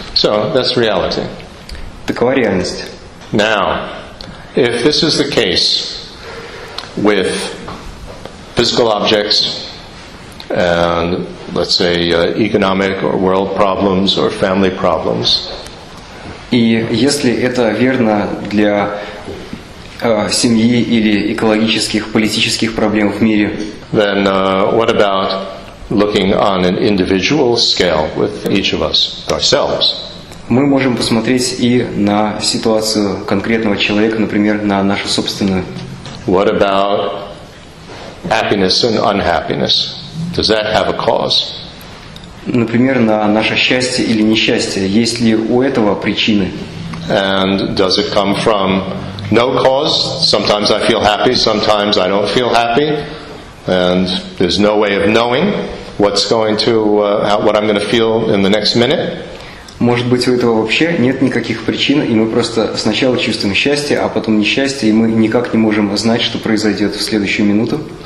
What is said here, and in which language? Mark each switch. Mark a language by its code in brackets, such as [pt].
[en] So, that's reality. [ru] Такова реальность. [en] Now, if this is the case with physical objects and, let's say, economic or world problems or family problems, [ru] и если это верно для семьи или экологических, политических проблем в мире, [en] then what about looking on an individual scale with each of us, ourselves? [ru] мы можем посмотреть и на ситуацию конкретного человека, например, на нашу собственную. [en] What about happiness and unhappiness? Does that have a cause? [ru] Например, на наше счастье или несчастье. Есть ли у этого причины? [en] And does it come from no cause? Sometimes I feel happy, sometimes I don't feel happy. And there's no way of knowing what's going to what I'm going to feel in the next minute. [ru] Может быть, у этого вообще нет никаких причин, и мы просто сначала чувствуем счастье, а потом несчастье, и мы никак не можем знать, что произойдет в следующую минуту.